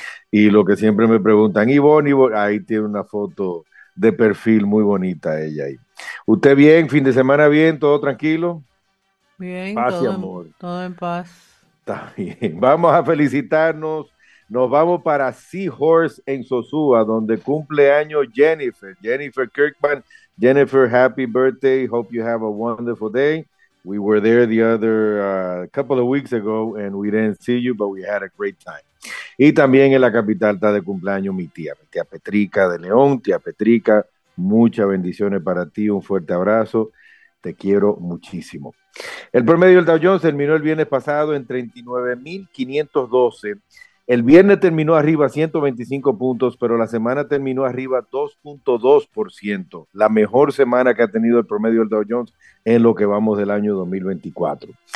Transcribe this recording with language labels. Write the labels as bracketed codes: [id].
[es] Y los que siempre me preguntan, Ivonne, ahí tiene una foto de perfil muy bonita ella ahí. ¿Usted bien? ¿Fin de semana bien? ¿Todo tranquilo? Bien, paz todo, y amor. Todo en paz. Está bien. Vamos a felicitarnos. Nos vamos para Seahorse en Sosúa, donde cumple año Jennifer Kirkman. [en] Jennifer, happy birthday. Hope you have a wonderful day. We were there the other couple of weeks ago and we didn't see you, but we had a great time. [es] Y también en la capital está de cumpleaños mi tía Petrica de León. Tía Petrica, muchas bendiciones para ti, un fuerte abrazo. Te quiero muchísimo. El promedio del Dow Jones terminó el viernes pasado en 39,512. El viernes terminó arriba 125 puntos, pero la semana terminó arriba 2.2%, la mejor semana que ha tenido el promedio del Dow Jones en lo que vamos del año 2024.